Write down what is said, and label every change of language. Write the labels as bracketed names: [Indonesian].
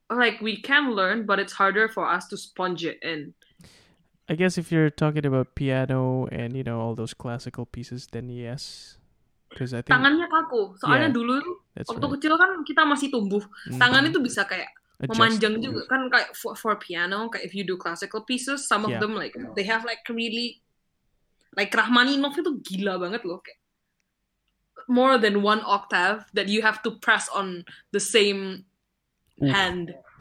[English] Like, we can learn, but it's harder for us to sponge it in. I guess if you're talking about piano and, you know, all those classical pieces, then yes. Because I think... [Indonesian] Tangannya kaku. Soalnya yeah, dulu, waktu right, kecil kan kita masih tumbuh. Tangan itu bisa kayak adjust memanjang to juga. Kan kayak [English] for piano, kayak if you do classical pieces, some of them, like, they have, like, really... Like, Rachmaninoff [Indonesian] itu gila banget loh. Kayak [English] more than one octave that you have to press on the same hand.